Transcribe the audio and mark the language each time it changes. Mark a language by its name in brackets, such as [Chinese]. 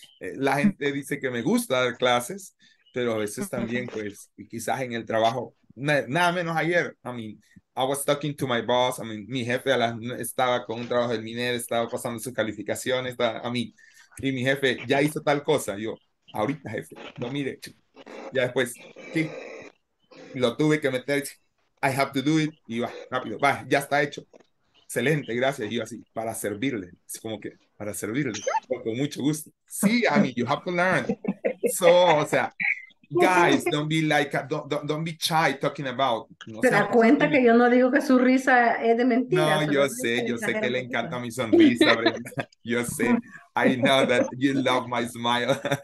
[Spanish] La gente dice que me gusta dar clases, pero a veces también, pues, y quizás en el trabajo, nada menos ayer, [English] I mean, I was talking to my boss, I mean, [Spanish] mi jefe estaba con un trabajo del MINER, estaba pasando sus calificaciones, y mi jefe ya hizo tal cosa, yo, ahorita jefe, no mire, ya después, sí, lo tuve que meter, [English] I have to do it, [Spanish] y va, rápido, va, ya está hecho, excelente, gracias, y yo así, para servirle, es como que, para servirle, con mucho gusto, sí, [English] I mean, you have to learn. So, [Spanish] o sea, [English] guys, don't be like, don't be shy talking about. [Spanish] No, te das cuenta que yo no digo que su risa es de mentira. No, yo sé que le encanta mi sonrisa, Brenda. Yo sé, [English] I know that you love my smile.